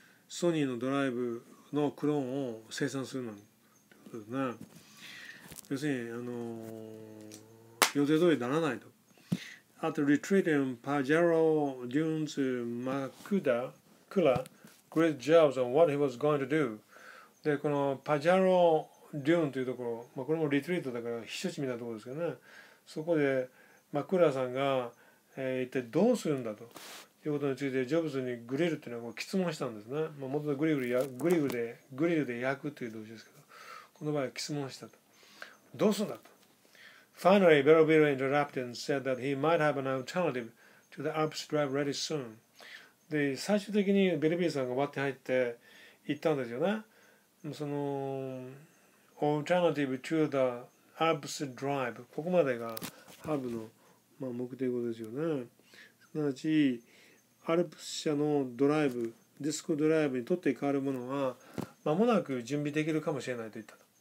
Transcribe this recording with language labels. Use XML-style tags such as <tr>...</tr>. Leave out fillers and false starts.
<ja>ソニーのドライブのクローンを生産するのに。ということですね。要するに、予定通りならないと。</ja> <en>At the retreat in Pajaro Dunes, Makuda, Kula, great jobs on what he was going to do.</en> <ja>で、この Pajaro Dunes というところ、まあ、これもリトリートだから避暑地みたいなところですけどね。そこで、Makuda さんが、一体どうするんだということについて、ジョブズにグリルっていうのを質問したんですね。まあ、元々グリルで焼くという動詞ですけど、この場合は質問したと。どうするんだと。</ja> <en>Finally, Belleville interrupted and said that he might have an alternative to the Alps drive ready soon.</en> <ja>で、最終的にベルビルさんが割って入って行ったんですよね。その、 alternative to the Alps drive。ここまでがハブの、まあ、目的語ですよね。すなわち、アルプス社のドライブ、ディスクドライブにとって変わるものは、まもなく準備できるかもしれないと言った。</ja>